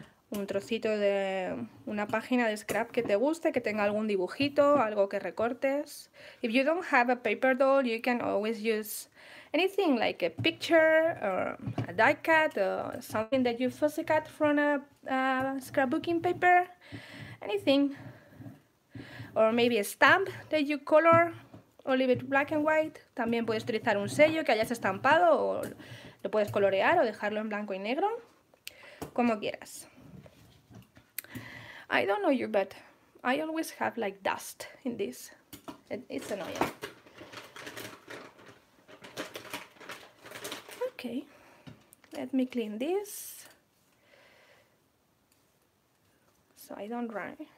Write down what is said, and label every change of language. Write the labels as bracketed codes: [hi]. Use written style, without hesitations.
[es] Un trocito de una página de scrap que te guste, que tenga algún dibujito, algo que recortes. [en] If you don't have a paper doll, you can always use anything like a picture or a die cut or something that you fussy cut from a scrapbooking paper. Anything. Or maybe a stamp that you color or leave it black and white. [es] También puedes utilizar un sello que hayas estampado o lo puedes colorear o dejarlo en blanco y negro. Como quieras. [en] I don't know you, but I always have like dust in this. It's annoying. Okay, let me clean this so I don't run.